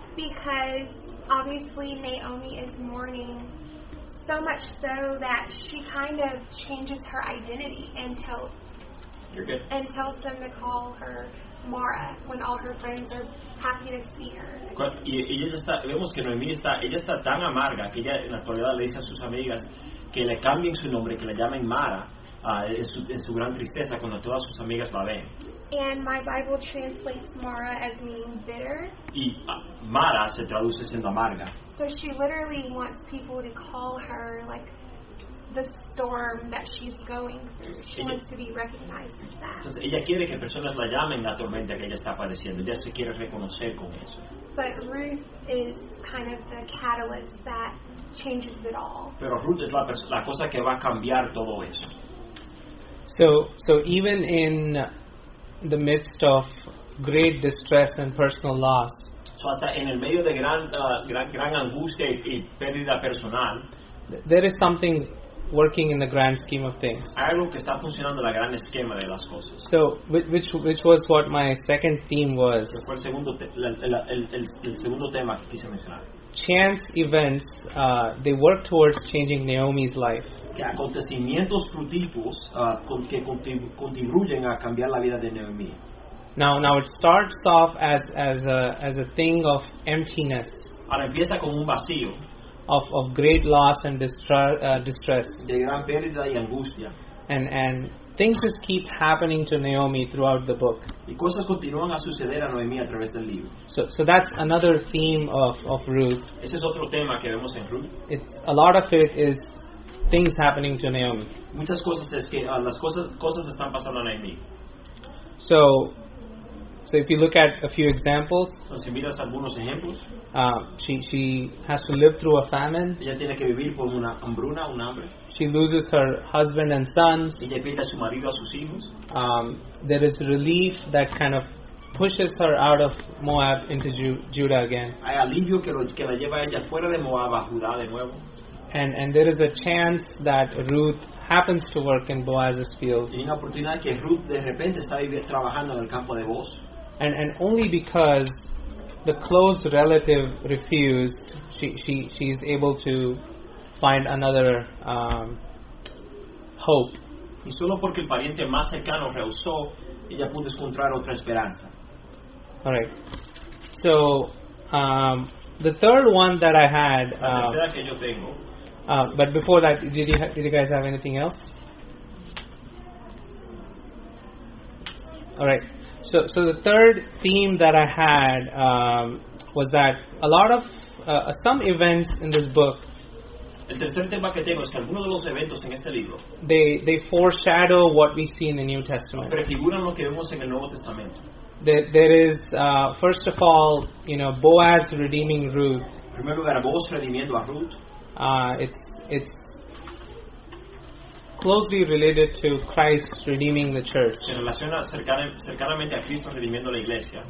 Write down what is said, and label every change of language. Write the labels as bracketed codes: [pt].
[en] Because obviously Naomi is mourning so much so that she kind of changes her identity and tells them to call her Mara when all her friends are happy to see her. [es] Y ella está, vemos que Noemí está, ella está tan amarga que ella en la actualidad le dice a sus amigas que le cambien su nombre, que le llamen Mara. En su gran tristeza cuando todas sus amigas la ven. [en] And my Bible translates Mara as meaning bitter. [es] Y Mara se traduce siendo amarga. [en] So she literally wants people to call her like the storm that she's going through. She wants to be recognized as that. [es] Entonces ella quiere que personas la llamen la tormenta que ella está padeciendo. Ella se quiere reconocer con eso. [en] But Ruth is kind of the catalyst that changes it all. [es] Pero Ruth es la cosa que va a cambiar todo eso. [en] So even in the midst of great distress and personal loss, [es] so hasta en el medio de gran angustia y pérdida personal, [en] there is something working in the grand scheme of things. [es] Hay algo que está funcionando en la gran esquema de las cosas. [en] So which was what my second theme was. [es] Que fue el segundo tema que quise mencionar. [en] Chance events, they work towards changing Naomi's life. [es] Que acontecimientos frutivos que contribuyen a cambiar la vida de Naomi. [en] Now it starts off as a thing of emptiness. [es] Ahora empieza con un vacío. [en] Of great loss and distress. [es] De gran pérdida y angustia. [en] And things just keep happening to Naomi throughout the book. [es] Y cosas continúan a suceder a Noemí a través del libro. [en] So that's another theme of Ruth. [es] Ese es otro tema que vemos en Ruth. [en] It's a lot of it is things happening to Naomi. [es] Muchas cosas es que las cosas están pasando a Naomi. [en] So if you look at a few examples, [es] si miras algunos ejemplos, [en] she has to live through a famine. [es] Ella tiene que vivir por una hambruna, un hambre. [en] She loses her husband and sons. [es] Ella pierde a su marido, a sus hijos. [en] There is relief that kind of pushes her out of Moab into Judah again. And there is a chance that Ruth happens to work in Boaz's field. And only because the close relative refused, she's able to find another hope. [es] Y solo porque el pariente más cercano rehusó, ella pudo encontrar otra esperanza. [en] All right. So, the third one that I had. [es] La tercera que yo tengo. [en] But before that, did you guys have anything else? All right. So the third theme that I had was that a lot of some events in this book. [es] El tercer tema que tengo es que algunos de los eventos en este libro. [en] They foreshadow what we see in the New Testament. [es] Prefiguran lo que vemos en el Nuevo Testamento. [en] There is first of all, you know, Boaz redeeming Ruth. [es] Primero lugar, Boaz redimiendo a Ruth. [en] It's closely related to Christ redeeming the church. [es] Se relaciona cercanamente a Cristo redimiendo la iglesia.